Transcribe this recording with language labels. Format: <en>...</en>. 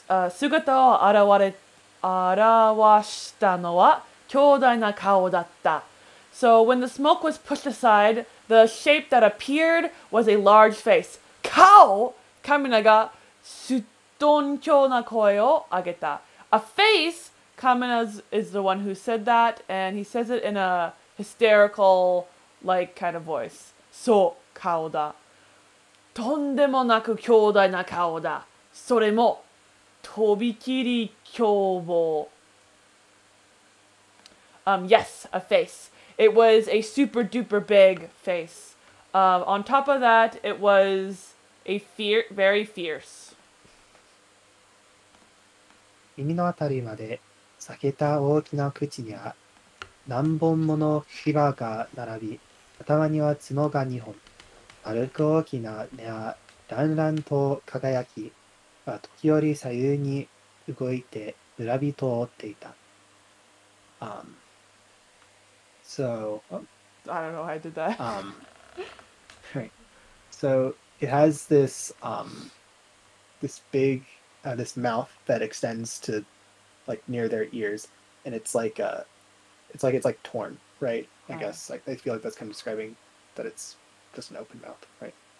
<ja>姿を現したのは強大な顔だった。</ja> <en>So when the smoke was pushed aside, the shape that appeared was a large face.</en> <ja>顔! カミナがすっとんきょうな声を上げた。</ja> <en>A face! カミナ is the one who said that, and he says it in a hysterical, like, kind of voice.</en> <ja>そう、顔だ。とんでもなく強大な顔だ。それも、とびきり凶暴。</ja> <en>Yes, a face. It was a super duper big face. On top of that, it was a very fierce.</en> <ja>耳のあたりまで裂けた大きな口には何本もの牙が並び、頭には角が2本。丸く大きな目はランランと輝き、時折左右に動いて村人を追っていた。</ja> <en>So, oh, I don't know why I did that. Right. So it has this, this big, this mouth that extends to like near their ears. And it's like torn, right? I guess like, I feel like that's kind of describing that it's just an open mouth, right?</en>